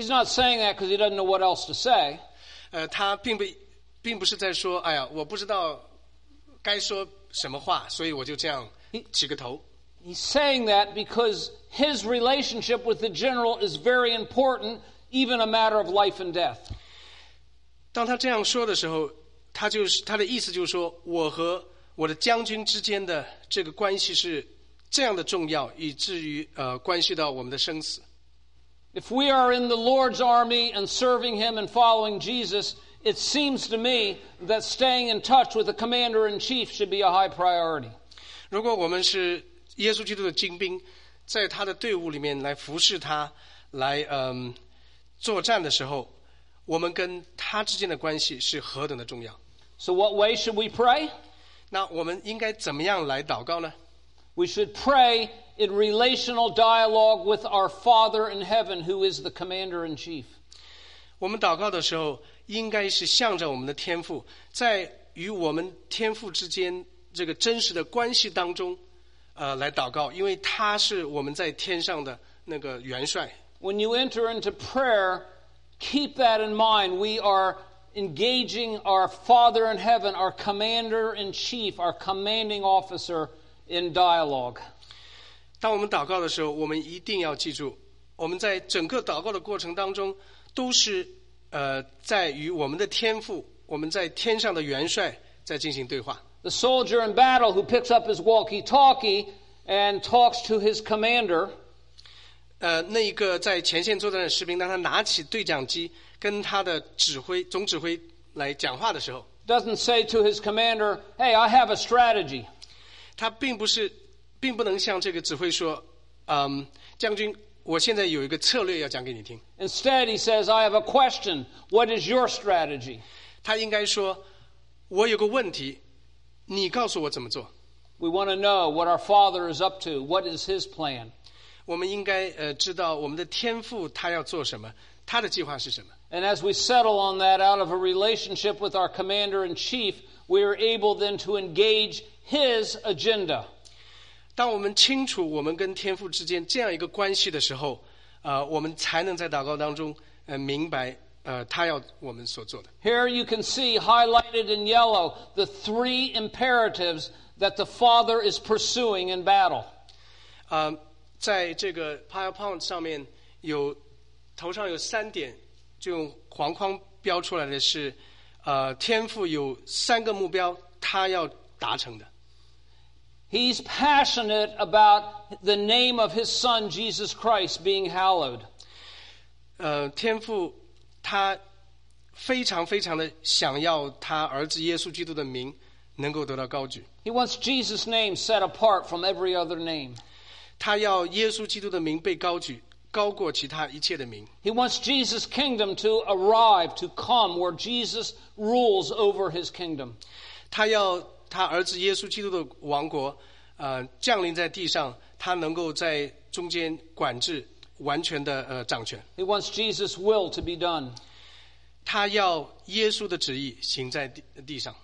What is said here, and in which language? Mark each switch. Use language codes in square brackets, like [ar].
[en] He's not saying that because he doesn't know what else to say. [zh] 他并不是在说，哎呀，我不知道该说什么话，所以我就这样起个头。 [en] He's saying that because his relationship with the general is very important. Even a matter of life and death. [zh] 当他这样说的时候，他的意思就是说，我和我的将军之间的这个关系是这样的重要，以至于关系到我们的生死。 [en] If we are in the Lord's army and serving Him and following Jesus, it seems to me that staying in touch with the commander in chief should be a high priority. [zh] 如果我们是耶稣基督的精兵，在他的队伍里面来服侍他，来作战的时候，我们跟他之间的关系是何等的重要。 [en] So what way should we pray? [zh] 那我们应该怎么样来祷告呢？ [en] We should pray in relational dialogue with our Father in heaven, who is the commander in chief. [zh] 我们祷告的时候应该是向着我们的天父，在与我们天父之间这个真实的关系当中来祷告，因为他是我们在天上的那个元帅。 [en] When you enter into prayer, keep that in mind. We are engaging our Father in heaven, our commander in chief, our commanding officer in dialogue. [zh] 当我们祷告的时候，我们一定要记住，我们在整个祷告的过程当中都是在与我们的天父，我们在天上的元帅在进行对话。 [en] The soldier in battle who picks up his walkie-talkie and talks to his commander. [zh] 那一个在前线作战的士兵，当他拿起对讲机跟他的指挥总指挥来讲话的时候 [en] ，doesn't say to his commander, "Hey, I have a strategy." [zh] 他并不能向这个指挥说，将军，我现在有一个策略要讲给你听。 [en] Instead, he says, "I have a question. What is your strategy?" [zh] 他应该说，我有个问题。你告诉我怎么做。 [en] We want to know what our Father is up to. What is His plan? [zh] 我们应该知道我们的天父他要做什么，他的计划是什么。 [en] And as we settle on that out of a relationship with our commander in chief, we are able then to engage His agenda. [zh] 当我们清楚我们跟天父之间这样一个关系的时候，我们才能在祷告当中明白他要我们所做的。 [en] Here you can see highlighted in yellow the three imperatives that the Father is pursuing in battle. [zh] 在这个 PowerPoint 上面有头上有三点，就用黄框标出来的是，天父有三个目标他要达成的。 [en] He's passionate about the name of his Son Jesus Christ being hallowed. [zh] 天父他非常非常的想要他儿子耶稣基督的名能够得到高举。 [en] He wants Jesus' name set apart from every other name. [zh] 他要耶稣基督的名被高举，高过其他一切的名。 [en] He wants Jesus' kingdom to arrive, to come where Jesus rules over his kingdom. [zh] 他要他儿子耶稣基督的王国，降临在地上，他能够在中间管制。完全的掌权。 [en] He wants Jesus' will to be done. [zh] 他要耶稣的旨意行在地上。